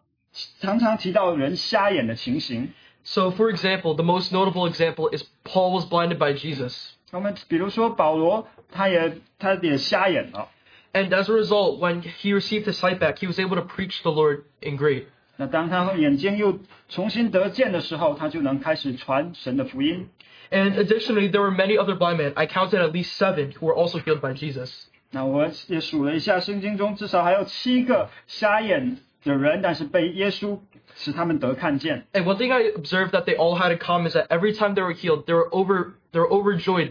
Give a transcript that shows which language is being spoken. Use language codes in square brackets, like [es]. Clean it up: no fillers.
[zh] 那我们知道圣经当中，常常提到人瞎眼的情形。 [en] So for example, the most notable example is Paul was blinded by Jesus. [zh] 我们比如说保罗，他也瞎眼了。 [en] And as a result, when he received his sight back, he was able to preach the Lord in great. [zh] 那当他眼睛又重新得见的时候，他就能开始传神的福音。 [en] And additionally, there were many other blind men. I counted at least 7 who were also healed by Jesus. [zh] 那我也数了一下，圣经中至少还有7个瞎眼的人，但是被耶稣使他们得看见。 [en] And one thing I observed that they all had in common is that every time they were healed, they were overjoyed.